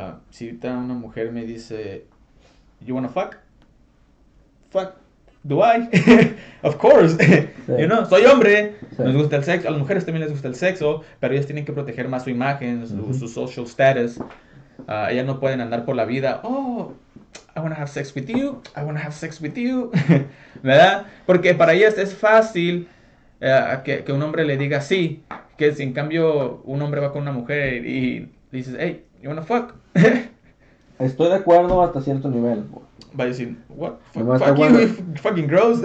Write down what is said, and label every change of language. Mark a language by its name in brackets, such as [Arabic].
[Spanish] Si ahorita una mujer me dice, [English] you wanna fuck? Fuck, do I? Of course. You know, [Spanish] soy hombre. Nos gusta el sexo. A las mujeres también les gusta el sexo, pero ellas tienen que proteger más su imagen, su [English] social status. [Spanish] Ellas no pueden andar por la vida. [English] Oh, I wanna have sex with you. I wanna have sex with you. [Spanish] ¿Verdad? Porque para ellas es fácil que un hombre le diga sí. Que si en cambio un hombre va con una mujer y dices, [English] hey, you wanna fuck? [Spanish] Estoy de acuerdo hasta cierto nivel. Va a decir, [English] what? Fuck, [Spanish] Nomás [English] fuck you, fucking gross.